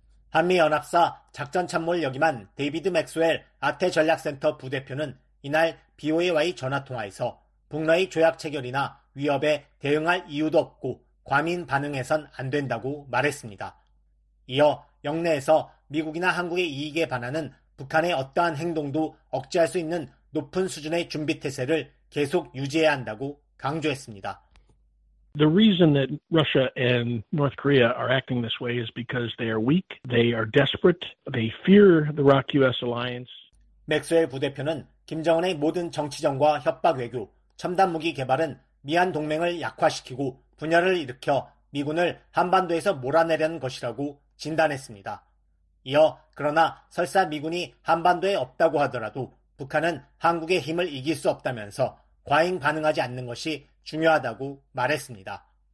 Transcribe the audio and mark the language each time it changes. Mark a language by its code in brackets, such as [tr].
[ko] 한미연합사 작전참모를 역임한 데이비드 맥스웰 아태전략센터 부대표는 이날 BOA와의 전화통화에서 북러의 조약 체결이나 위협에 대응할 이유도 없고 과민 반응해선 안 된다고 말했습니다. 이어 영내에서 미국이나 한국의 이익에 반하는 북한의 어떠한 행동도 억제할 수 있는 높은 수준의 준비태세를 계속 유지해야 한다고 강조했습니다. [en] The reason that Russia and North Korea are acting this way is because they are weak, they are desperate, they fear the ROK-US alliance. [ko] 맥스웰 부대표는 김정은의 모든 정치전과 협박 외교, 첨단 무기 개발은 미한 동맹을 약화시키고 분열을 일으켜 미군을 한반도에서 몰아내려는 것이라고 진단했습니다. 이어 그러나 설사 미군이 한반도에 없다고 하더라도 북한은 한국의 힘을 이길 수 없다면서 과잉 반응하지 않는 것이 중요하다고 말했습니다.